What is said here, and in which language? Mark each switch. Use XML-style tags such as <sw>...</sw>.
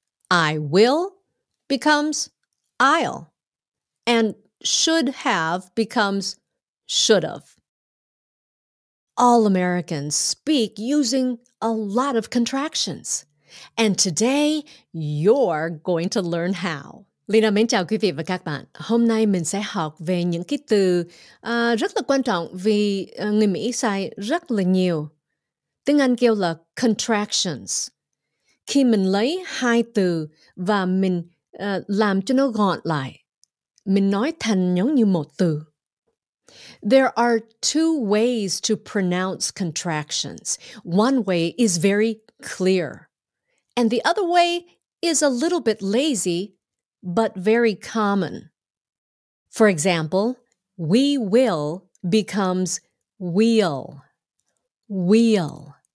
<en>I will becomes I'll. And should have becomes should have. All Americans speak using a lot of contractions. And today, you're going to learn how.</en> <vi>Leyna mến chào quý vị và các bạn. Hôm nay mình sẽ học về những cái từ rất là quan trọng vì người Mỹ xài rất là nhiều. Tiếng Anh kêu là contractions. Khi mình lấy hai từ và mình làm cho nó gọn lại, mình nói thành giống như một từ.</vi> <en>There are two ways to pronounce contractions. One way is very clear. And the other way is a little bit lazy, but very common. For example, we will becomes we'll, we'll.</en>